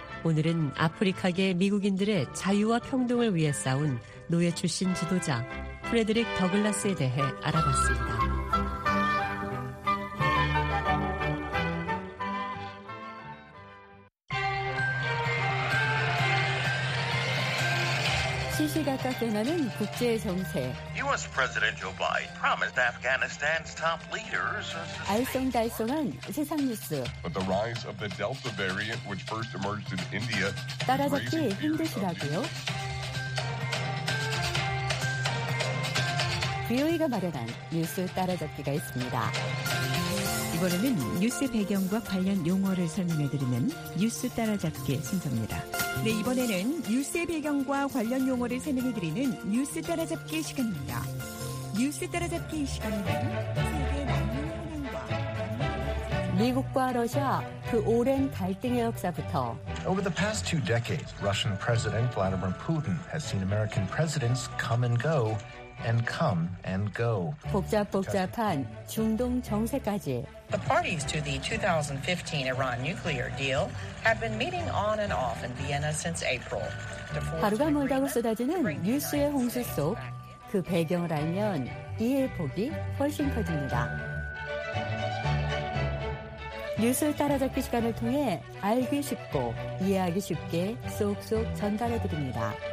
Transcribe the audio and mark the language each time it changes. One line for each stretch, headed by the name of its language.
Korean: 오늘은 아프리카계 미국인들의 자유와 평등을 위해 싸운 노예 출신 지도자 프레드릭 더글라스에 대해 알아봤습니다. 시시각각 변하는 국제 정세.
English: U.S. President Joe Biden promised Afghanistan's top leaders.
Korean: 알쏭달쏭한 세상 뉴스.
English: But the rise of the Delta variant, which first emerged in India,
Korean: 따라잡기 힘드시라고요? 비오이가 마련한 뉴스 따라잡기가 있습니다. 이번에는 뉴스 배경과 관련 용어를 설명해드리는 뉴스 따라잡기 순서입니다. 네, 이번에는 뉴스의 배경과 관련 용어를 설명해드리는 뉴스 따라잡기 시간입니다. 뉴스 따라잡기 시간은 미국과 러시아 그 오랜 갈등의 역사부터
English: Over the past two decades, Russian President Vladimir Putin has seen American presidents come and go. and come and go.
Korean: 복잡복잡한 중동 정세까지.
English: The parties to the 2015 Iran nuclear deal have been meeting on and off in Vienna since April.
Korean: 하루가 멀다고 쏟아지는 뉴스의 홍수 속 그 배경을 알면 이해폭이 훨씬 커집니다. 뉴스 따라잡기 시간을 통해 알기 쉽고 이해하기 쉽게 쏙쏙 전달해드립니다.